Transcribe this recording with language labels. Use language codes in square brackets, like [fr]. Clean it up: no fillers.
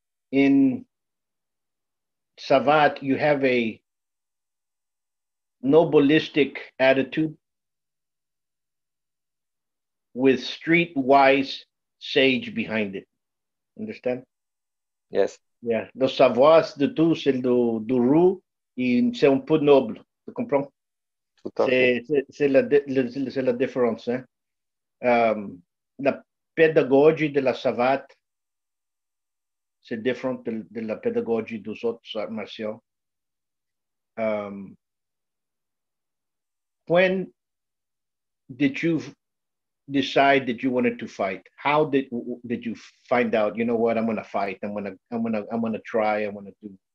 [en] In Savate, you have a noblistic attitude with street wise sage behind it. Understand? Yes. Yeah. [fr] Le savoir, c'est de tout, c'est le du roux, et c'est un peu noble. Tu comprends? C'est la différence. Hein? La pédagogie de la savate, c'est différent de la pédagogie des autres arts martiaux. [en] When did you decide that you wanted to fight? How did you find out, you know what, I'm gonna fight, I'm gonna try, I'm gonna do?